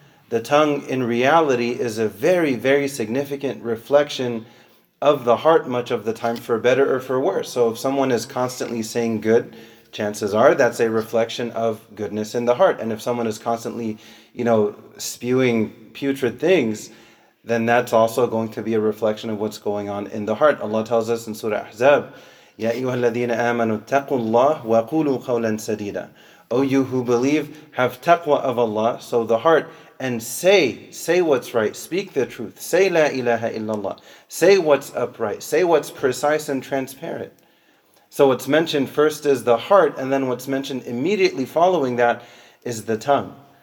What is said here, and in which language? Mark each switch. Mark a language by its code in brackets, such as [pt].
[en] The tongue, in reality, is a very, very significant reflection of the heart much of the time, for better or for worse. So if someone is constantly saying good, chances are that's a reflection of goodness in the heart. And if someone is constantly, you know, spewing putrid things, then that's also going to be a reflection of what's going on in the heart. Allah tells us in Surah Ahzab, [ar] يَا أَيُّهَا الَّذِينَ آمَنُوا اتَّقُوا اللَّهُ وَقُولُوا قَوْلًا سَدِيدًا. [en] O you who believe, have taqwa of Allah, so the heart, and say what's right, speak the truth, say la ilaha illallah, say what's upright, say what's precise and transparent. So what's mentioned first is the heart, and then what's mentioned immediately following that is the tongue.